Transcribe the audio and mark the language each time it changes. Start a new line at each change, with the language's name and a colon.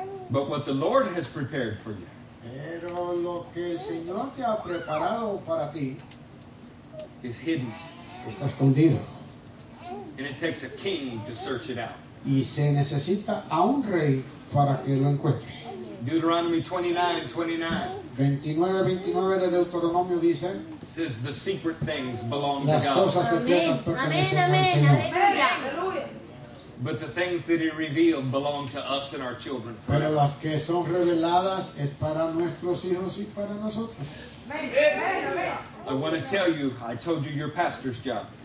English: But what the Lord has prepared for you.
Spanish: Pero lo que el Señor te ha preparado para ti.
English: Is hidden.
Spanish: Está escondido.
English: And it takes a king to search it out.
Spanish: Y se necesita a un rey para que lo encuentre.
English: Deuteronomy 29:29
Spanish: de Deuteronomio dice.
English: Says the secret things belong
Spanish: las
English: to God.
Spanish: Secretas pertenecen al Señor. Amén, amén.
English: But the things that He revealed belong to us and our children.
Spanish: Pero las que son reveladas es para nuestros hijos y para nosotros.
English: I want to tell you, I told you your pastor's job.